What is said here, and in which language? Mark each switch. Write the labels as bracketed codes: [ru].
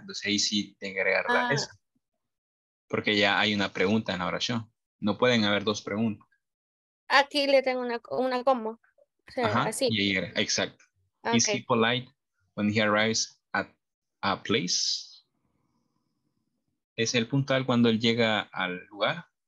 [es] Entonces ahí sí tengo que agregar la S. Porque ya hay una pregunta en la oración. No pueden haber dos preguntas. Aquí le tengo una coma. O sea, ajá, así. Y ahí era, exacto. Okay. [en] Is he polite when he arrives at a place? [es] Es el puntual cuando él llega al lugar.